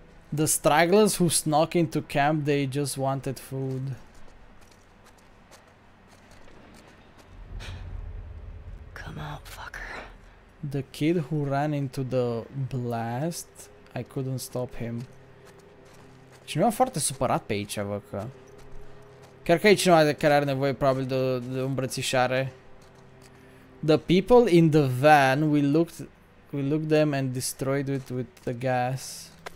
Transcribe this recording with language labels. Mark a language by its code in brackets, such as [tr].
[en] The stragglers who snuck into camp, they just wanted food. Come out, fucker. The kid who ran into the blast, I couldn't stop him. [ro] Cineva foarte supărat pe aici, vă, că... Chiar că e cineva care are nevoie, probabil, de îmbrățișare. [en] The people in the van, we looked them and destroyed it with the gas.